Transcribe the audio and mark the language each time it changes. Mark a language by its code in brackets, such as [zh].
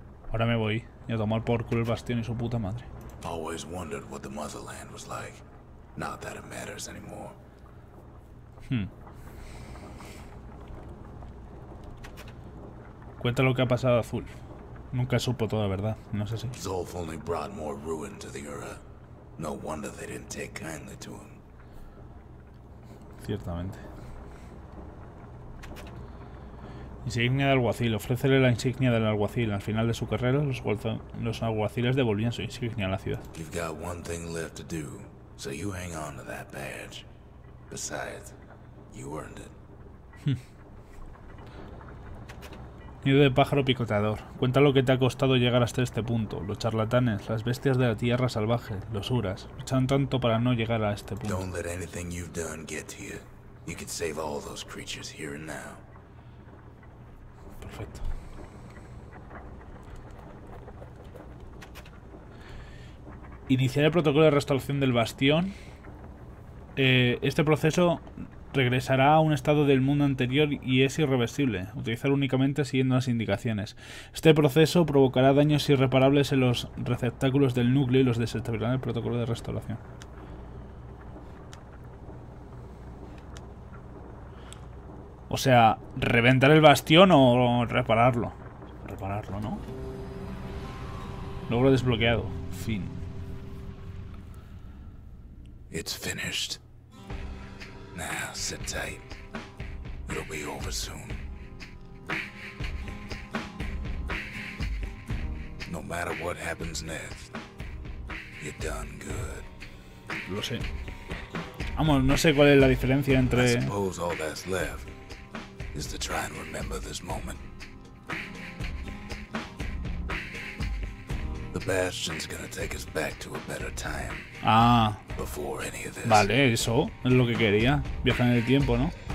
[es] Ahora me voy y a tomar por culo el bastión y su puta madre. [en] Always wondered what the motherland was like. Not that it matters anymore. [es] Cuenta lo que ha pasado a Zulf. Nunca supo toda la verdad, no sé si. [en] Zulf only brought more ruin to the era. No wonder they didn't take kindly to him. [es] Ciertamente. Insignia de alguacil. Ofrécele la insignia del alguacil. Al final de su carrera, los alguaciles devolvían su insignia a la ciudad. [en] You've got one thing left to do, so you hang on to that badge. Besides, you earned it. [es] Nido de pájaro picoteador. Cuenta lo que te ha costado llegar hasta este punto. Los charlatanes, las bestias de la tierra salvaje, los Uras, luchan tanto para no llegar a este punto. [en] Don't let anything you've done get to you. You could save all those creatures here and now. [es] Perfecto. Iniciar el protocolo de restauración del bastión. Este proceso regresará a un estado del mundo anterior y es irreversible, utilizar únicamente siguiendo las indicaciones. Este proceso provocará daños irreparables en los receptáculos del núcleo y los desestabilizará el protocolo de restauración. O sea, ¿reventar el bastión o repararlo? Repararlo, ¿no? Logro desbloqueado. Fin. [en] It's finished. Now, sit tight. It'll be over soon. No matter what happens next, you've done good. [es] Lo sé. Vamos, no sé cuál es la diferencia entre... [en] I suppose all that's left is to try and remember this moment. The Bastion's gonna take us back to a better time. Ah. Before any of this. [es] Vale, eso es lo que quería. Viajar en el tiempo, ¿no?